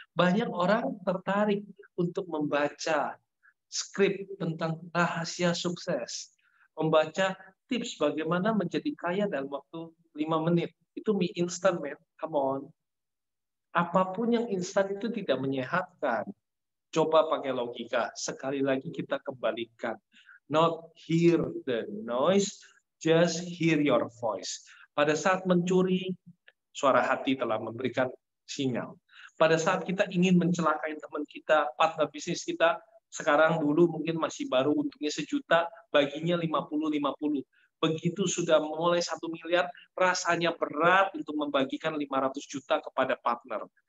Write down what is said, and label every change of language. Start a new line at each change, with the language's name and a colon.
Indonesian: Banyak orang tertarik untuk membaca skrip tentang rahasia sukses. Membaca tips bagaimana menjadi kaya dalam waktu 5 menit. Itu mie instan,
English: man. Come on.
Indonesian: Apapun yang instan itu tidak menyehatkan. Coba pakai logika. Sekali lagi kita kembalikan.
English: Not hear the noise, just hear your voice.
Indonesian: Pada saat mencuri, suara hati telah memberikan sinyal. Pada saat kita ingin mencelakai teman kita, partner bisnis kita, sekarang dulu mungkin masih baru untungnya 1 juta, baginya 50-50. Begitu sudah mulai 1 miliar, rasanya berat untuk membagikan 500 juta kepada partner.